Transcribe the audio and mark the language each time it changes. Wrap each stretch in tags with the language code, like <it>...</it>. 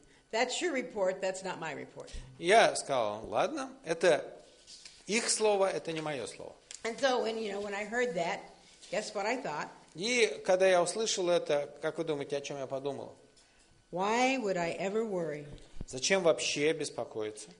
<en>That's your report, that's not my report.</en> <ru>Я сказал, ладно, это их слово, это не мое слово.</ru> <en>And so when, you know, when I heard that, guess what I thought?</en> <ru>И когда я услышал это, как вы думаете, о чем я подумал?</ru> <en>Why would I ever worry?</en> <ru>Зачем вообще беспокоиться?</ru>